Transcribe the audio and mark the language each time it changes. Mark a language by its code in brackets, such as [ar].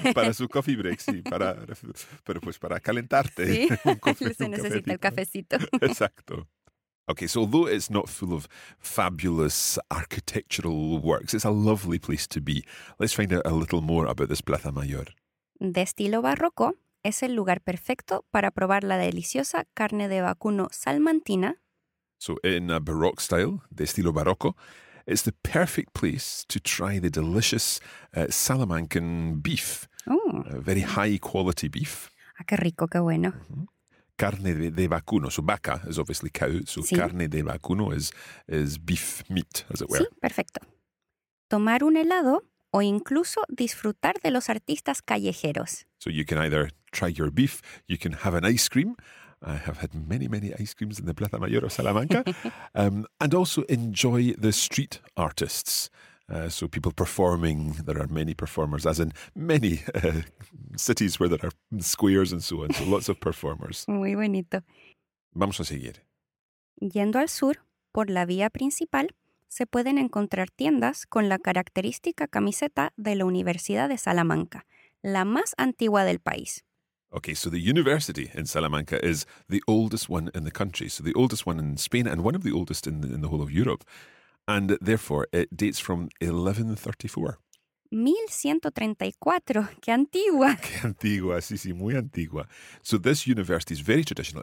[es] Para su [en] coffee break, [es] sí. Para calentarte. Sí, se necesita el cafecito. Exacto. [en] Okay, so although it's not full of fabulous architectural works, it's a lovely place to be. Let's find out a little more about this Plaza Mayor. [es] De estilo barroco, es el lugar perfecto para probar la deliciosa carne de vacuno salmantina. [en] So in a Baroque style, [es] de estilo barroco, [en] it's the perfect place to try the delicious Salamancan beef. Very high quality beef. [es] Ah, qué rico, qué bueno. [en] Mm-hmm. [es] Carne de vacuno. [en] So vaca is obviously cow. So [es] sí. Carne de vacuno [en] is beef meat, as it were. [es] Sí, perfecto. Tomar un helado o incluso disfrutar de los artistas callejeros. [en] So you can either try your beef, you can have an ice cream. I have had many, many ice creams in the Plaza Mayor of Salamanca. and also enjoy the street artists. So people performing, there are many performers, as in many cities where there are squares and so on. So lots of performers. [es] Muy bonito. Vamos a seguir. Yendo al sur, por la vía principal, se pueden encontrar tiendas con la característica camiseta de la Universidad de Salamanca, la más antigua del país. [en] Okay, so the university in Salamanca is the oldest one in the country. So the oldest one in Spain and one of the oldest in the whole of Europe. And therefore, it dates from 1134. [es] 1134. ¡Qué antigua! ¡Qué antigua! Sí, sí, muy antigua. [en] So this university is very traditional.